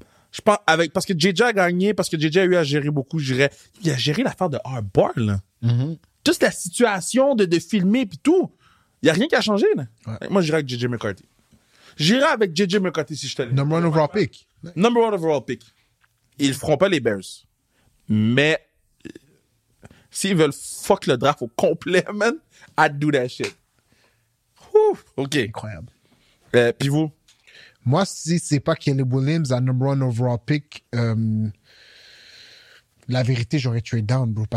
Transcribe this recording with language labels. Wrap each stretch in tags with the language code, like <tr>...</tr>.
<fr>Je pense, avec, parce que JJ a gagné, parce que JJ a eu à gérer beaucoup, je dirais. Il a géré l'affaire de Hardbar, là. Mm-hmm. Juste la situation de filmer, puis tout. Il n'y a rien qui a changé, là. Ouais. Moi, j'irais avec JJ McCarthy. J'irais avec JJ McCarthy si je te l'ai.</fr> <en>Number one overall pick. Number one overall pick.</en> <fr>Ils ne feront pas les Bears. Mais s'ils veulent fuck le draft au complet, man,</fr> <en>I'd do that shit.</en> <fr>Ouh, OK. Incroyable. Puis vous? Moi, si c'est pas Caleb Williams à</fr> <en>number one overall pick,</en> <fr>la vérité, j'aurais tué down, bro.</fr>